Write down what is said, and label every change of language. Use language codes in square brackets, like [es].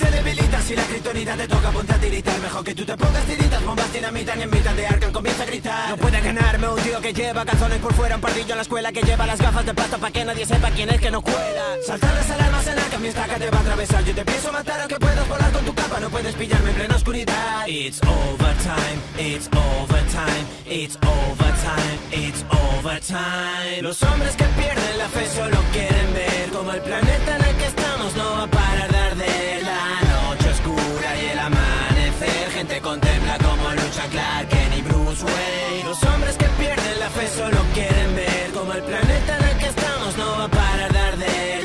[es] Se debilita si la kryptonita te toca, ponte a tiritar. Mejor que tú te pongas tiritas, bombas dinamitan en mitad de Arkham. Comienza gritar. No puede ganarme un tío que lleva calzones por fuera, un pardillo en la escuela que lleva las gafas de plata pa' que nadie sepa quién es que no cuela. Saltar las alarmas en Arkham, mi estaca te va a atravesar. Yo te pienso matar aunque puedas volar con tu capa. No puedes pillarme en plena oscuridad. [en] It's overtime, it's overtime, it's overtime, it's overtime. [es] Los hombres que pierden la fe solo quieren ver como el planeta en el que estamos no va a parar de arder. La noche oscura y el amanecer, gente contempla como lucha Clark Kent y Bruce. Los hombres que pierden la fe solo quieren ver como el planeta en el que estamos no va a parar de arder.